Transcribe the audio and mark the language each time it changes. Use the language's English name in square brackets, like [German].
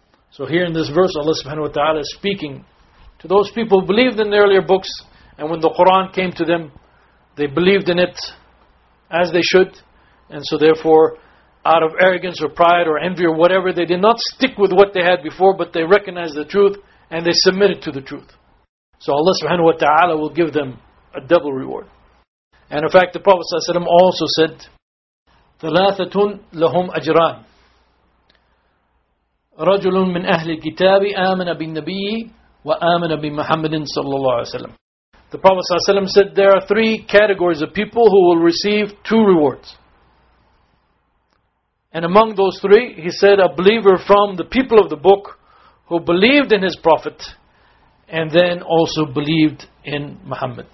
[English] So here in this verse, Allah subhanahu wa ta'ala is speaking to those people who believed in the earlier books, and when the Quran came to them, they believed in it as they should. And so therefore, out of arrogance or pride or envy or whatever, they did not stick with what they had before, but they recognized the truth and they submitted to the truth. So Allah subhanahu wa ta'ala will give them a double reward. And in fact, the Prophet ﷺ also said, [Arabic] ثَلَاثَةٌ لَهُمْ أَجْرَانٌ رَجُلٌ مِّنْ أَهْلِ الْكِتَابِ آمَنَ بِالنَّبِيِّ وَآمَنَ بِمُحَمَّدٍ صَلَّى اللَّهُ عَلَيْهِ وَسَلَّمَ. [English] The Prophet ﷺ said, there are three categories of people who will receive two rewards. And among those three, he said, a believer from the people of the book who believed in his prophet and then also believed in Muhammad.